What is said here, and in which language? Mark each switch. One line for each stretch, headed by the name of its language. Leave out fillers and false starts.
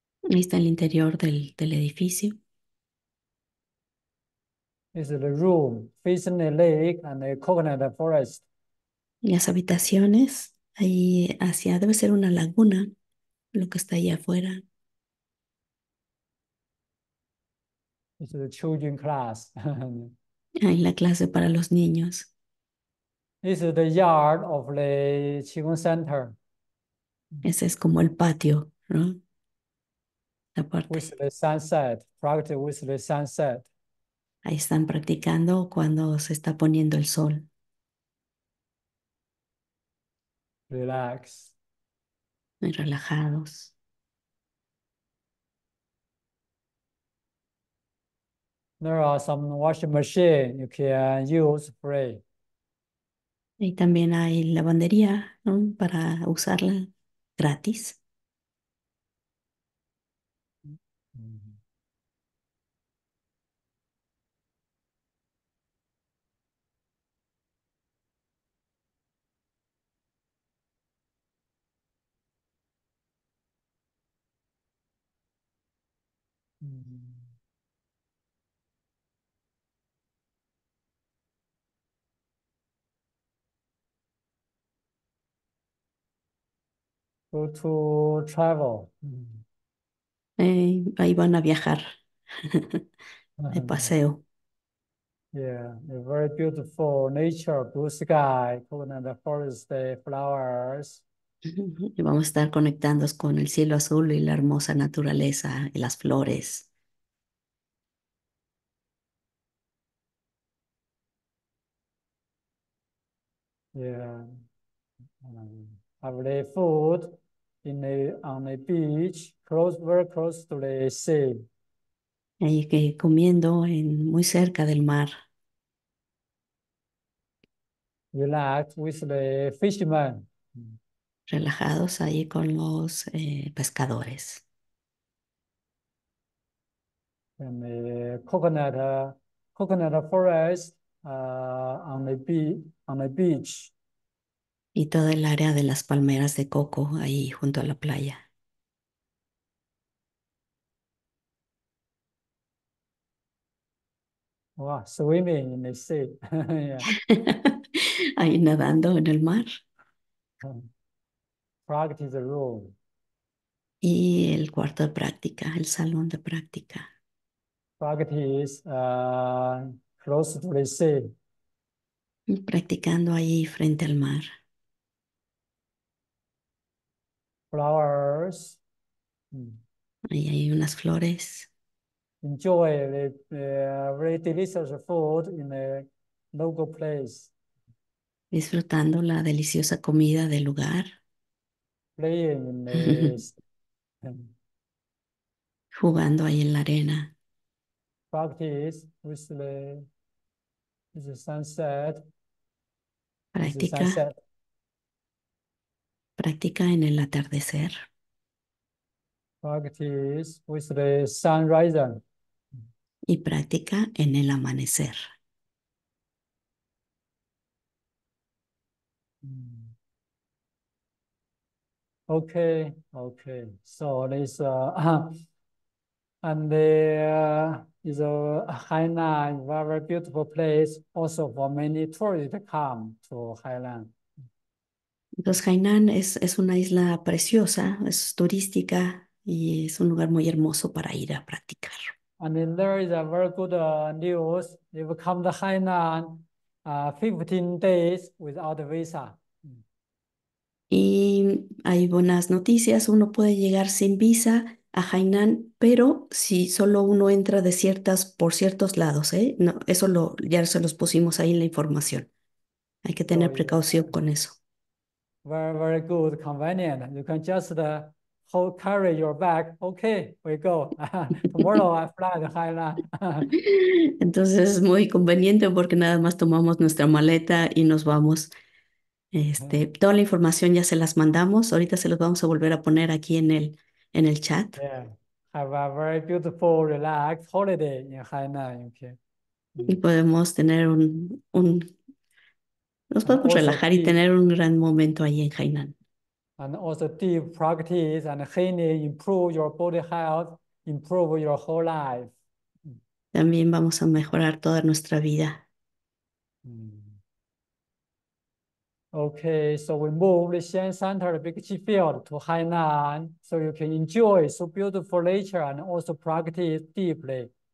Spanish: Ahí está el interior del edificio.
English: This is the room facing the lake and the coconut forest.
Spanish: Las habitaciones, ahí hacia, debe ser una laguna, lo que está ahí afuera.
English: This is the children class.
Spanish: Ahí la clase para los niños.
English: This is the yard of the Qigong Center.
Spanish: Ese es como el patio, ¿no?
English: With
Spanish: Aparte.
English: the sunset, practice with the sunset.
Spanish: Ahí están practicando cuando se está poniendo el sol.
English: Relax.
Spanish: Muy relajados.
English: There are some washing machine you can use free.
Spanish: Y también hay lavandería, ¿no? Para usarla gratis.
English: Go to travel.
Spanish: Ahí van a viajar de paseo.
English: Yeah, a very beautiful nature, blue sky, coconut forest, flowers.
Spanish: Y vamos a estar conectando con el cielo azul y la hermosa naturaleza y las flores.
English: Yeah. Have the food. On the beach, close, very close to the sea.
Spanish: Ahí que comiendo en muy cerca del mar.
English: Relax with the fishermen.
Spanish: Relajados ahí con los pescadores.
English: And the coconut forest on the beach.
Spanish: Y todo el área de las palmeras de coco ahí junto a la playa.
English: Wow, swimming in the sea. Yeah.
Spanish: Ahí nadando en el mar.
English: Practice the room.
Spanish: Y el cuarto de práctica, el salón de práctica.
English: Practice close to the sea.
Spanish: Y practicando ahí frente al mar.
English: Flowers.
Spanish: Ahí hay unas flores.
English: Enjoy the very delicious food in the local place.
Spanish: Disfrutando la deliciosa comida del lugar,
English: Playing in the
Spanish: jugando ahí en la arena.
English: practice with the sunset, with the
Spanish: Practica,
English: sunset.
Spanish: practica en el atardecer.
English: Practice with the sunrise.
Spanish: Y practica en el amanecer.
English: Okay. So this and is a Hainan, very beautiful place, also for many tourists come to Hainan.
Spanish: Entonces, Hainan es una isla preciosa, es turística y es un lugar muy hermoso para ir a practicar.
English: And then there is a very good news. They will come to Hainan 15 days without a visa.
Spanish: Y hay buenas noticias, uno puede llegar sin visa a Hainan, pero si solo uno entra de ciertas por ciertos lados, ¿eh? No, eso lo ya se los pusimos ahí en la información. Hay que
English: So
Spanish: tener precaución con eso.
English: very good, convenient. You can just hold carry your bag. Okay, we go. Tomorrow I fly to Hainan.
Spanish: Entonces es muy conveniente porque nada más tomamos nuestra maleta y nos vamos. Toda la información ya se las mandamos. Ahorita se los vamos a volver a poner aquí en el chat.
English: Yeah, have a very beautiful, relaxed holiday in Hainan. Okay.
Spanish: Y podemos tener nos podemos relajar y tener un gran momento ahí en Hainan.
English: And also deep practice and healing improve your body health, improve your whole life.
Spanish: También vamos a mejorar toda nuestra vida.
English: Okay, so we move the Shen Center, the Big Chi Field to Hainan, so you can enjoy so beautiful nature and also practice deeply.